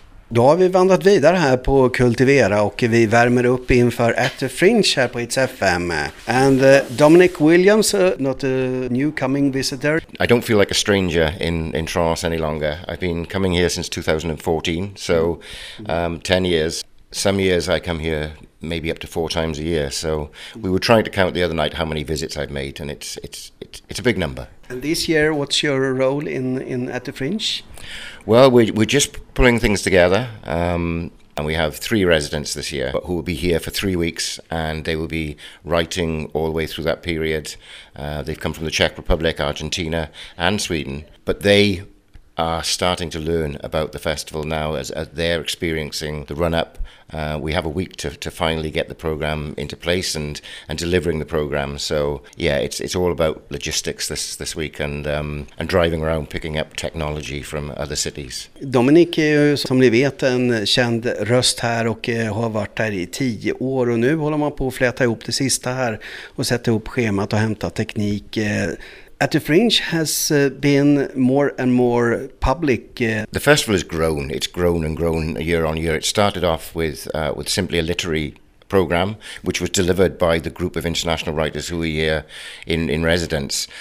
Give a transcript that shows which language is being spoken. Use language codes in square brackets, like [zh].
[sv] Då har vi vandrat vidare här på Kultivera och vi värmer upp inför At The Fringe här på Hits FM. [en] And Dominic Williams, not a new coming visitor. I don't feel like a stranger in trance any longer. I've been coming here since 2014, so 10 years. Some years I come here maybe up to 4 times a year. So we were trying to count the other night how many visits I've made, and it's a big number. And this year, what's your role in At The Fringe? Well, we're just pulling things together, and we have 3 residents this year who will be here for 3 weeks, and they will be writing all the way through that period. They've come from the Czech Republic, Argentina, and Sweden, but they are starting to learn about the festival now as they're experiencing the run-up. We have a week to finally get the program into place and delivering the program. So yeah, it's all about logistics this week and driving around picking up technology from other cities. [sv] Dominic är ju, som ni vet, en känd röst här och har varit här i 10 år, och nu håller man på att fläta ihop det sista här och sätta ihop schemat och hämta teknik. [en] At The Fringe has been more and more public. The festival has grown. It's grown and grown year on year. It started off with simply a literary program, which was delivered by the group of international writers who are here in residence.